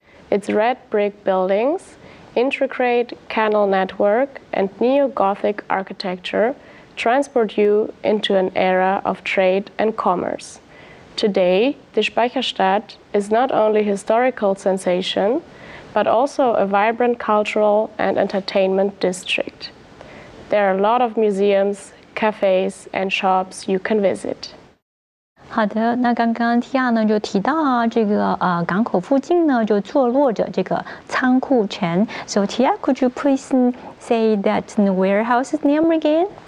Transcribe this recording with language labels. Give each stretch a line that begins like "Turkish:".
English: It's red brick buildingsIntricate canal network and neo-Gothic architecture transport you into an era of trade and commerce. Today, the Speicherstadt is not only a historical sensation, but also a vibrant cultural and entertainment district. There are a lot of museums, cafes, and shops you can visit.
Chinese: 好的，那刚刚 Tia 呢就提到啊，这个港口附近呢就坐落着这个仓库城。
English: So Tia, could you please say that warehouse's name again?